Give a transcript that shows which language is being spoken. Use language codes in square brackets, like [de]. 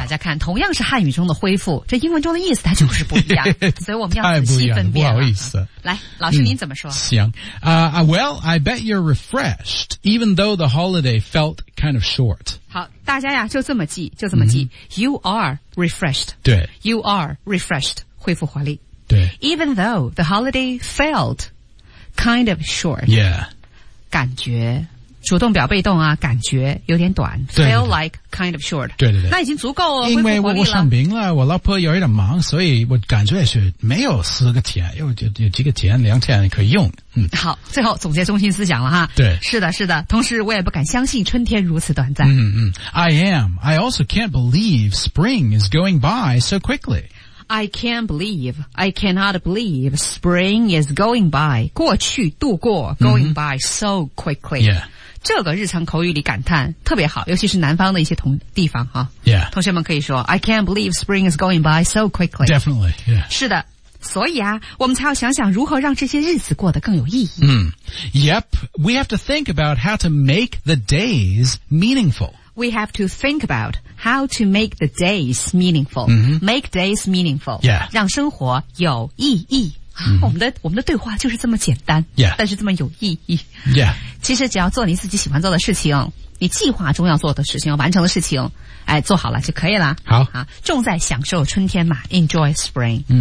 [zh] 大家看，同样是汉语中的恢复，这英文中的意思它就是不一样，所以我们要仔细分辨。太不一样了，不好意思。来，老师您怎么说？行啊、 [en] well, I bet you're refreshed, even though the holiday felt kind of short. [zh] 好，大家呀，就这么记，就这么记。 [en] You are refreshed. [zh] 对。 [en] You are refreshed, [zh] 恢复活力。对。 [en] Even though the holiday felt kind of short. Yeah. [zh] 感觉主动表被动啊，感觉有点短。对对对 [en] feel like kind of short. [zh] 对对对。那已经足够了，因为我生病了，我老婆有一点忙，所以我感觉是没有四个天，有几个天，两天可以用。好，最后总结中心思想了哈。对。是的是的，同时我也不敢相信春天如此短暂。 [en] I am. I also can't believe spring is going by so quickly. I can't believe, I cannot believe spring is going by, [zh] 过去度过 [en] going by so quickly. Yeah. [zh] 这个日常口语里感叹特别好，尤其是南方的一些地方哈。 [en] Yeah. [zh] 同学们可以说 [en] I can't believe spring is going by so quickly. Definitely, yeah. [zh] 是的。所以啊，我们才要想想如何让这些日子过得更有意义。 [en] Yep, we have to think about how to make the days meaningful. We have to think about how to make the days meaningful. Make days meaningful. Yeah. [zh] 让生活有意义。我们的对话就是这么简单。 [en] Yeah. [zh] 但是这么有意义。 [en] Yeah. [zh] 其实只要做你自己喜欢做的事情，你计划中要做的事情，完成的事情，哎，做好了就可以了。好啊，重在享受春天嘛 ， [en] Enjoy spring。